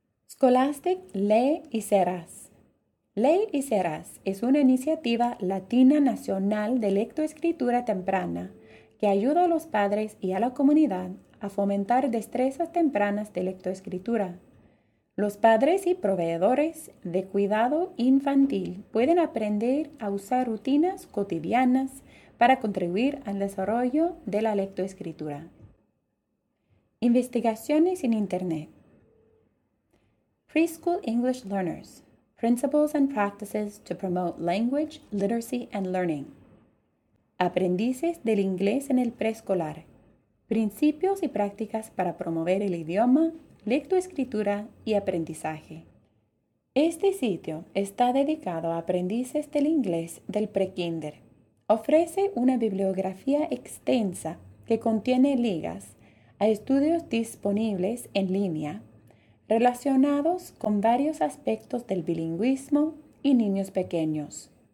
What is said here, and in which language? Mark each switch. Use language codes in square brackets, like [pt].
[es] Scholastic Lee y Serás. Lee y Serás es una iniciativa latina nacional de lectoescritura temprana que ayuda a los padres y a la comunidad a fomentar destrezas tempranas de lectoescritura. Los padres y proveedores de cuidado infantil pueden aprender a usar rutinas cotidianas para contribuir al desarrollo de la lectoescritura. Investigaciones en Internet. [en] Preschool English Learners: Principles and Practices to Promote Language, Literacy and Learning. [es] Aprendices del inglés en el preescolar. Principios y prácticas para promover el idioma, lectoescritura y aprendizaje. Este sitio está dedicado a aprendices del inglés del pre-kinder. Ofrece una bibliografía extensa que contiene ligas a estudios disponibles en línea relacionados con varios aspectos del bilingüismo y niños pequeños.